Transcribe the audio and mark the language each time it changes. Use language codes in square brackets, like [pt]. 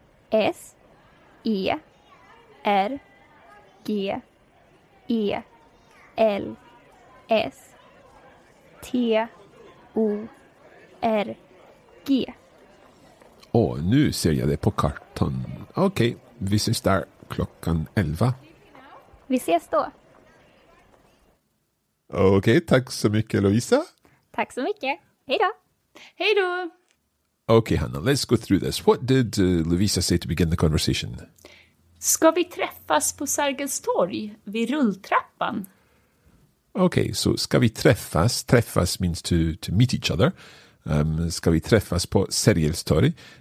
[sv] S-E-R-G-E-L-S-T-O-R-G. Åh, nu ser jag det på kartan. Okej, vi ses där klockan 11. Vi ses då. Okej, tack så mycket, Louisa. Tack så mycket. Hej då. Hej då. [en] Okej, Hanna, let's go through this. What did Louisa say to begin the conversation? [sv] Ska vi träffas på Sergels torg vid rulltrappan? Okej, så ska vi träffas. [en] Träffas means to meet each other. [sv] Ska vi träffas på Sergels torg?